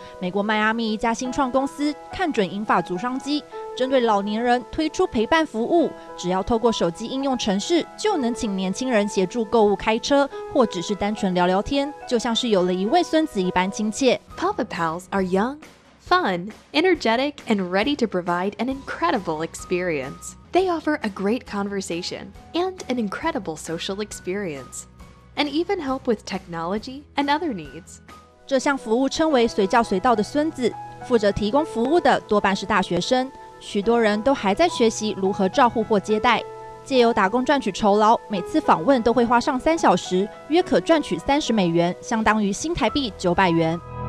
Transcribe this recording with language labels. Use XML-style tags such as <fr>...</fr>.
<zh>美国迈阿密一家新创公司看准银发族商机，针对老年人推出陪伴服务，只要透过手机应用程式，就能请年轻人协助购物、开车，或只是单纯聊聊天，就像是有了一位孙子一般亲切。</zh> <en>Papa Pals are young. Fun, energetic, and ready to provide an incredible experience. They offer a great conversation and an incredible social experience, and even help with technology and other needs.</en> <zh>这项服务称为“随叫随到”的孙子，负责提供服务的多半是大学生，许多人都还在学习如何照护或接待。借由打工赚取酬劳，每次访问都会花上3小时，约可赚取$30，相当于新台币900元。</zh>